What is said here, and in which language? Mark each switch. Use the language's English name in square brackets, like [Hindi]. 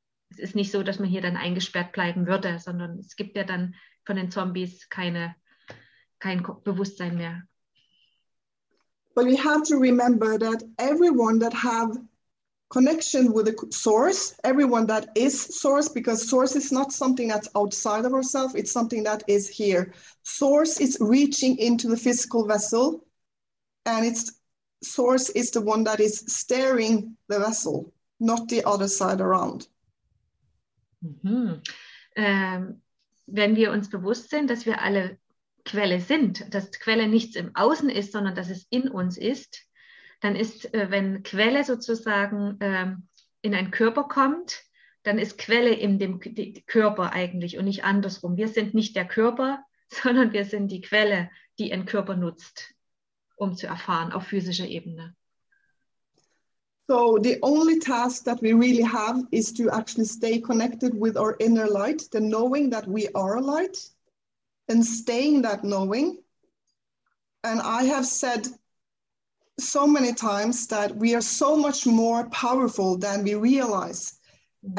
[German] Es ist nicht so, dass man hier dann eingesperrt bleiben würde, sondern es gibt ja dann von den Zombies kein Bewusstsein mehr. [English] But we have to remember that everyone that have connection with the source, everyone that is source, because source is not something that's outside of ourselves, it's something that is here. Source is reaching into the physical vessel, and it's source is the one that is steering the vessel, not the other side around. Mm-hmm. [German] Wenn wir uns bewusst sind, dass wir alle Quelle sind, dass Quelle nichts im Außen ist, sondern dass es in uns ist, dann ist, wenn Quelle sozusagen in einen Körper kommt, dann ist Quelle in dem Körper eigentlich und nicht andersrum. Wir sind nicht der Körper, sondern wir sind die Quelle, die einen Körper nutzt, um zu erfahren auf physischer Ebene. [English] So the only task that we really have is to actually stay connected with our inner light, the knowing that we are a light, and staying that knowing. And I have said so many times that we are so much more powerful than we realize. Mm-hmm.